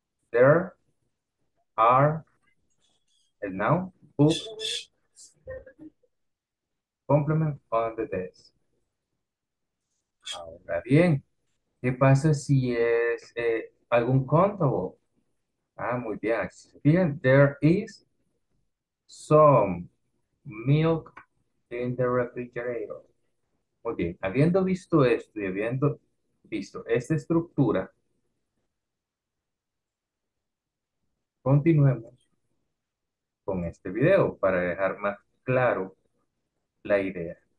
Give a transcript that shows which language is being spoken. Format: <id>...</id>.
<en>There are el noun, books, complement on the desk.</en> <es>Ahora bien, ¿qué pasa si es algún countable? Ah, muy bien.</es> <en>Bien, there is some milk in the refrigerator.</en> <es>Muy bien, habiendo visto esto y habiendo visto esta estructura, continuemos con este video para dejar más claro la idea.</es>